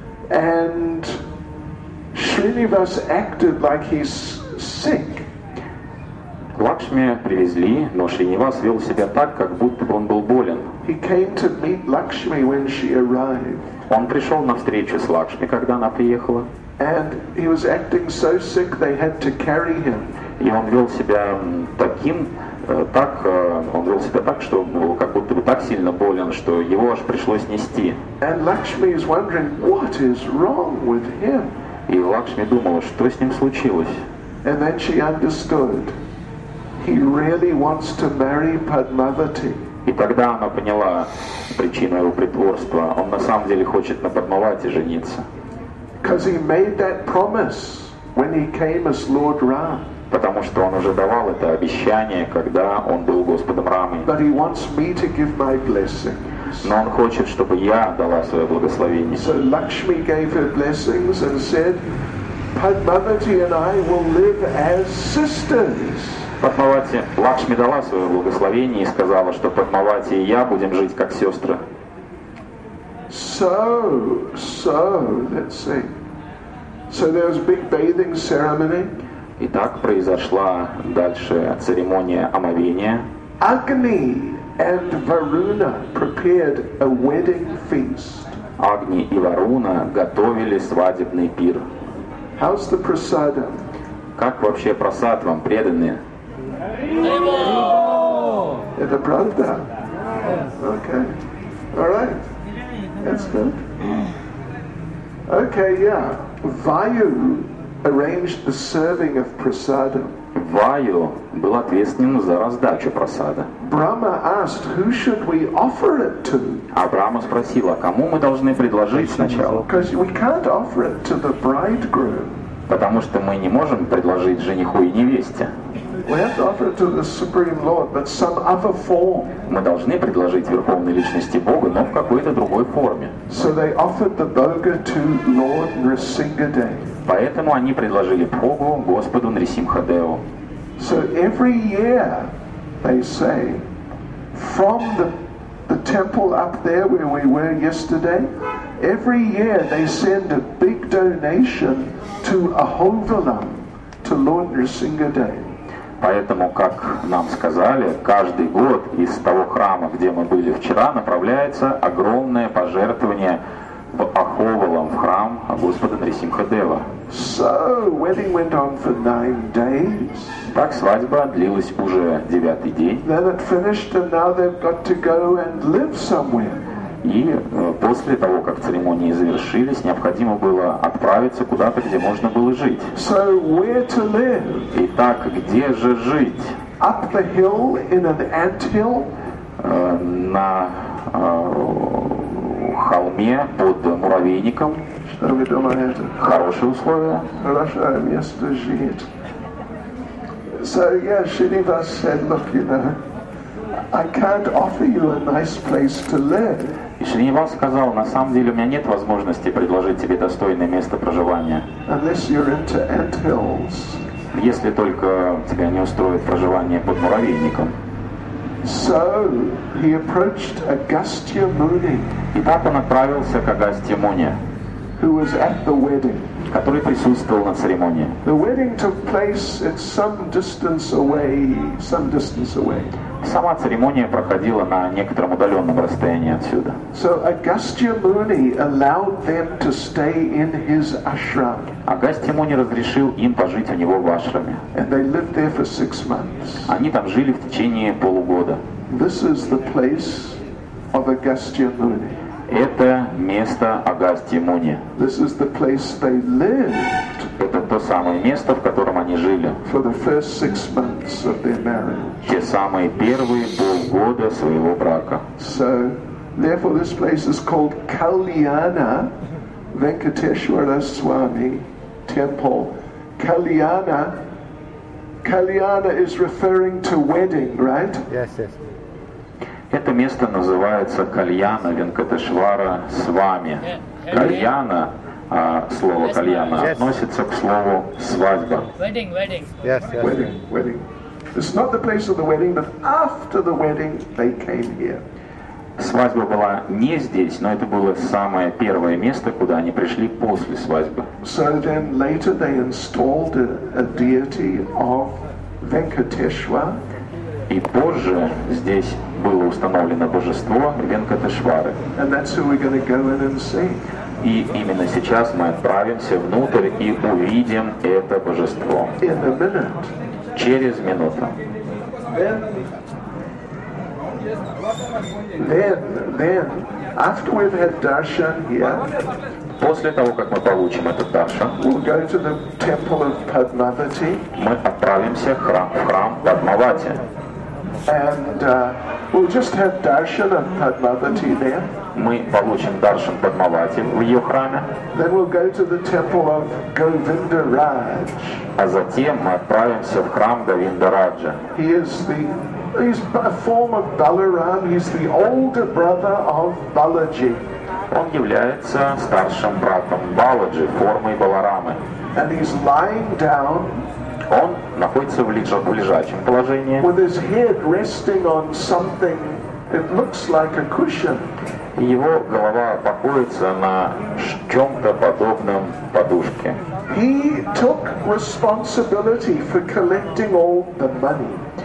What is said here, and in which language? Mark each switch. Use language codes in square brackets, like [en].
[en] And Srinivas acted like he's sick. [ru] Лакшми привезли, но Шринивас вел себя так, как будто бы он был болен. [en] He came to meet Lakshmi when she arrived. [ru] Он пришел на встречу с Лакшми, когда она приехала. [en] And he was acting so sick they had to carry him. [ru] И он вел себя так, что был как будто бы так сильно болен, что его аж пришлось нести. [en] And Lakshmi is wondering, what is wrong with him? [ru] И Лакшми думала, что с ним случилось. [en] And then she understood, he really wants to marry Padmavati. [ru] И тогда она поняла причину его притворства. Он на самом деле хочет на Падмавати жениться. [en] Because he made that promise when he came as Lord Ram. [ru] Потому что он уже давал это обещание, когда он был Господом Рамой. Но он хочет, чтобы я дала свое благословение. [en] So Lakshmi gave her blessings and said, Padmavati and I will live as sisters. [ru] Падмавати, Лакшми дала свое благословение и сказала, что Падмавати и я будем жить как сестры. [en] So let's see. So there was a big bathing ceremony. [ru] Итак, произошла дальше церемония омовения. [en] Agni and Varuna prepared a wedding feast. [ru] Агни и Варуна готовили свадебный пир. [en] How's the prasada? [ru] Как вообще прасад вам преданные? Это правда? [en] Okay. All right. That's good. Okay, yeah. Vayu arranged the serving of prasada. [ru] Ваю был ответственен за раздачу просада. [en] Brahma asked, who should we offer it to? [ru] А Брама спросила, кому мы должны предложить сначала? [en] Because we can't offer it to the bridegroom. [ru] Потому что мы не можем предложить жениху и невесте. [en] We have to offer it to the Supreme Lord, but some other form. [ru] Мы должны предложить верховной личности Бога, но в какой-то другой форме. [en] So they offered the boga to Lord Nrisimhadev. [ru] Поэтому они предложили Богу Господу Нрисимхадеву. [en] So every year they say, from the temple up there where we were yesterday, every year they send a big donation to Ahovalam, to Lord Nrisimhadev. [ru] Поэтому, как нам сказали, каждый год из того храма, где мы были вчера, направляется огромное пожертвование в Аховалам, в храм Господа Нрисимхадева. [en] So, wedding went on for 9 days. [ru] Так свадьба длилась уже 9-й день. [en] Then it finished and now they've got to go and live somewhere. [ru] И после того, как церемонии завершились, необходимо было отправиться куда-то, где можно было жить. [en] So where to live? [ru] Итак, где же жить? [en] Up the hill in an anthill? [ru] На холме под муравейником. Что вы думаете? Хорошие условия. Хорошее место жить. [en] So yeah, Shrinivas said, look, you know, I can't offer you a nice place to live. [ru] И Шринивас сказал, на самом деле у меня нет возможности предложить тебе достойное место проживания. [en] Unless you're into anthills. [ru] Если только тебя не устроит проживание под муравейником. [en] So he approached Agastya Muni. [ru] И так он отправился к Агастье Муне. [en] Who was at the wedding. [ru] Который присутствовал на церемонии. [en] The wedding took place at some distance away, some distance away. [ru] Сама церемония проходила на некотором удаленном расстоянии отсюда. [en] So Agastya Muni allowed them to stay in his ashram. [ru] Агастья Муни разрешил им пожить у него в ашраме. [en] And they lived there for 6 months. [ru] Они там жили в течение полугода. [en] This is the place of Agastya Muni. [ru] Это место Агастьи Муни. [en] This is the place they lived. [ru] Это то самое место, в котором они жили. [en] For the first 6 months of their marriage. [ru] Те самые первые полгода своего брака. [en] So, therefore, this place is called Kalyana Venkateshwara Swami Temple. Kalyana is referring to wedding, right? Yes, yes. [ru] Это место называется Кальяна Венкатешвара Свами. Кальяна, слово кальяна относится к слову свадьба. [en] Wedding, wedding. Yes, yes. Wedding, wedding. It's not the place of the wedding, but after the wedding they came here. [ru] Свадьба была не здесь, но это было самое первое место, куда они пришли после свадьбы. [en] So then later they installed a deity of Venkateshwara. [ru] И позже здесь было установлено божество Венкатешвары. [en] And that's who we're gonna go in and see. [ru] И именно сейчас мы отправимся внутрь и увидим это божество. [en] In a minute. [ru] Через минуту. [en] Then, after we've had darshan here, [ru] после того, как мы получим этот даршан, [en] we'll go to the temple of Padmavati. [ru] Мы отправимся в храм Падмавати. [en] And we'll just have darshan of Padmavati there. [ru] Мы получим даршан Падмавати в ее храме. [en] Then we'll go to the temple of Govindaraj. [ru] А затем мы отправимся в храм Говиндараджа. [en] He's a form of Balaram. He's the older brother of Balaji. [ru] Он является старшим братом Баладжи, формой Баларамы. [en] And he's lying down. [ru] Он находится в лежачем положении. [en] With his head resting on something that looks like a cushion. [ru] Его голова покоится на чем-то подобном подушке. [en] He took responsibility for collecting all the money.